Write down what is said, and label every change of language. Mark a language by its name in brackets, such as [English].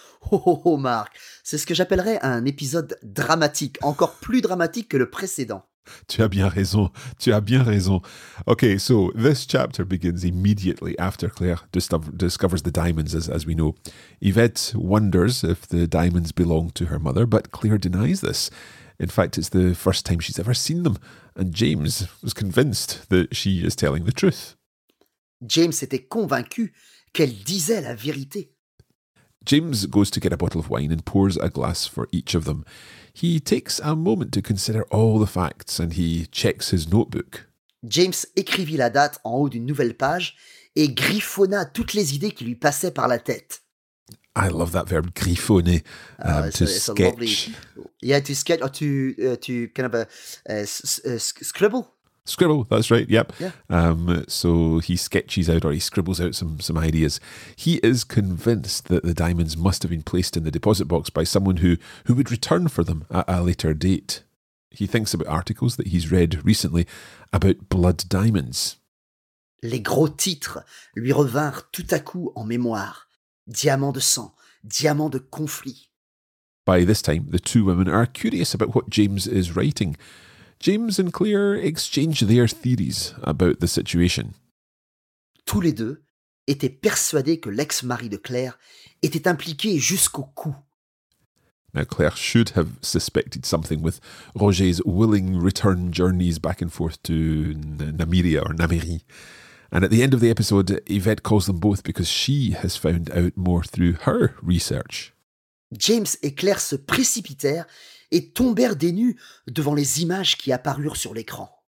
[French] Oh, oh, oh, Marc, c'est ce que j'appellerais un épisode dramatique, encore plus dramatique que le précédent. Tu as bien raison, tu as bien raison. [English] Okay, so this chapter begins immediately after Claire discovers the diamonds, as we know. Yvette wonders if the diamonds belong to her mother, but Claire denies this. In fact, it's the first time she's ever seen them, and James was convinced that she is telling the truth. [French] James était convaincu qu'elle disait la vérité. [English] James goes to get a bottle of wine and pours a glass for each of them. He takes a moment to consider all the facts and he checks his notebook. [French] James écrivit la date en haut d'une nouvelle page et griffonna toutes les idées qui lui passaient par la tête. [English] I love that verb, griffonner, to sketch. Lovely. Yeah, to sketch or to kind of scribble. Scribble, that's right, yep. Yeah. So he sketches out or he scribbles out some ideas. He is convinced that the diamonds must have been placed in the deposit box by someone who would return for them at a later date. He thinks about articles that he's read recently about blood diamonds. [French] Les gros titres lui revinrent tout à coup en mémoire. Diamant de sang, diamant de conflit. [English] By this time, the two women are curious about what James is writing. James and Claire exchange their theories about the situation. [French] Tous les deux étaient persuadés que l'ex-mari de Claire était impliqué jusqu'au cou. [English] Now Claire should have suspected something with Roger's willing return journeys back and forth to Namiria or Namiri. And at the end of the episode, Yvette calls them both because she has found out more through her research. [French] James et Claire se précipitèrent et tombèrent des nues devant les images qui apparurent sur l'écran.